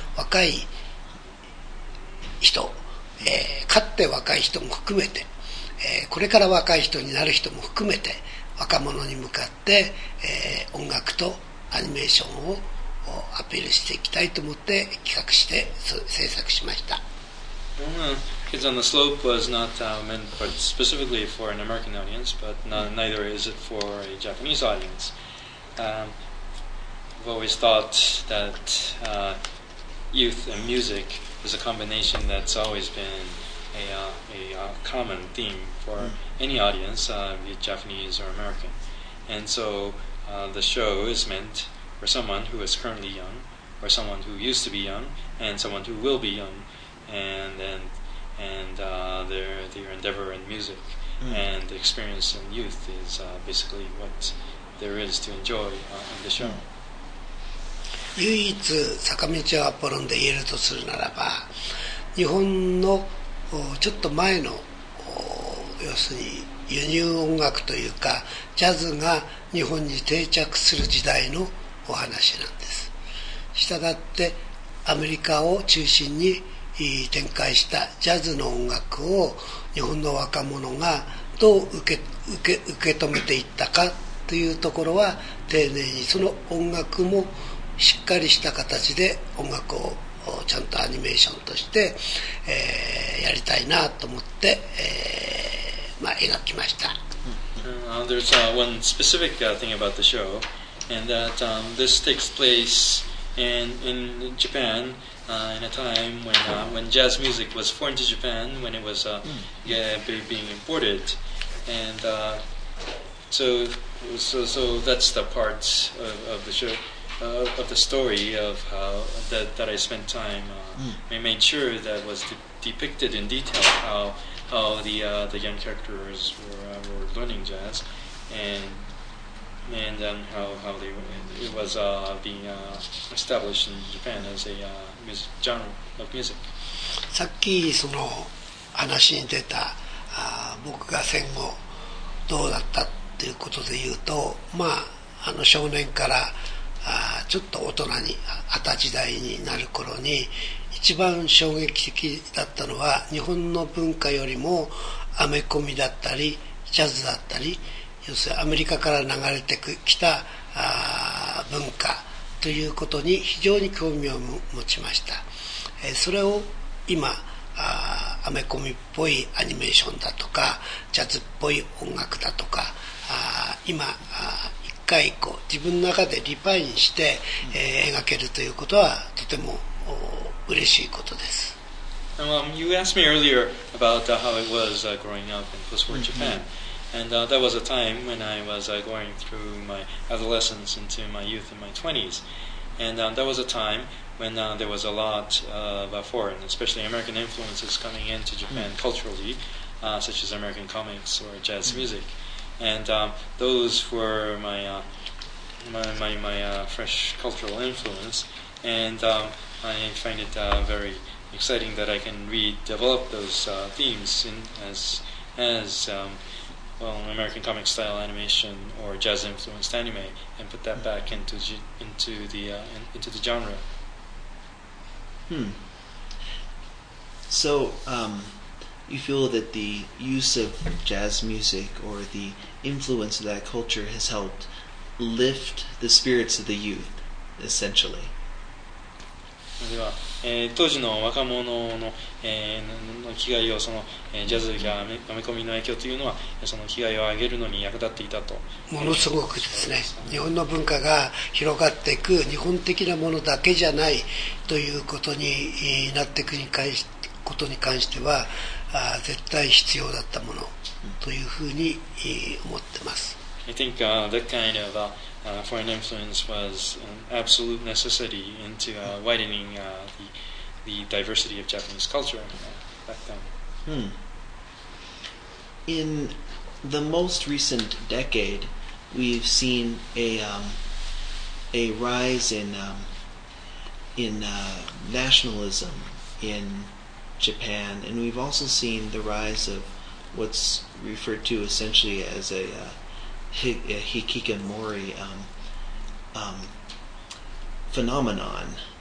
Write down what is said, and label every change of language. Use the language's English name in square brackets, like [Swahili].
[Japanese] 若い人、かつて若い人も含めて、これから若い人になる人も含めて、若者に向かって、音楽とアニメーションをアピールしていきたいと思って企画して制作しました。 [English] Kids on the Slope was not meant for specifically for an American audience, but neither is it for a Japanese audience. I've always thought that youth and music is a combination that's always been a common theme for any audience, be it Japanese or American. And so the show is meant for someone who is currently young, or someone who used to be young, and someone who will be young, and their endeavor in music、mm. and experience in youth is basically what there is to enjoy in the show. [Japanese] 唯一坂道アポロンで言えるとするならば、日本のちょっと前の要するに輸入音楽というかジャズが日本に定着する時代のお話なんです。したがってアメリカを中心に展開したジャズの音楽を日本の若者がどう受け止めていったかというところは、丁寧にその音楽もしっかりした形で音楽をちゃんとアニメーションとして、やりたいなと思って、描きました。 [English] There's one specific thing about the show, and that this takes place in JapanIn a time when jazz music was foreign to Japan, when it was being imported, and so that's the part of the show. of the story of how that I spent time. I made sure that was depicted in detail how the young characters were learning jazz, and how they it was being established in Japan as a genre of music. [Japanese] さっきその話に出た僕が戦後どうだったっていうことで言うと、まあ、あの少年からちょっと大人に二十歳代になる頃に一番衝撃的だったのは日本の文化よりもアメコミだったりジャズだったり要するにアメリカから流れてきた文化ということに非常に興味を持ちました。それを今アメコミっぽいアニメーションだとかジャズっぽい音楽だとか今一回以降自分の中でリファインして、描けるということはとても嬉しいことです。 [English] You asked me earlier about how it was growing up in post-war Japan、mm-hmm. and that was a time when I was going through my adolescence into my youth in my 20s and that was a timeWhen there was a lot of foreign, especially American influences coming into Japan mm-hmm. culturally, such as American comics or jazz mm-hmm. music, and those were my my fresh cultural influence. And I find it very exciting that I can redevelop those themes in as well American comic style animation or jazz influenced anime, and put that back into the genre. So, you feel that the use of jazz music or the influence of that culture has helped lift the spirits of the youth, essentially? [Japanese] では、当時の若者の、の気概をその、ジャズや読み込みの影響というのは、その気概を上げるのに役立っていたと。ものすごくですね。日本の文化が広がっていく、日本的なものだけじゃないということになっていくに関し、ことに関しては、絶対必要だったものというふうに思ってます。 [English] I think that kind of foreign influence was an absolute necessity into widening the diversity of Japanese culture back then. In the most recent decade, we've seen a rise in nationalism in Japan, and we've also seen the rise of what's referred to essentially as a hikikomori phenomenon.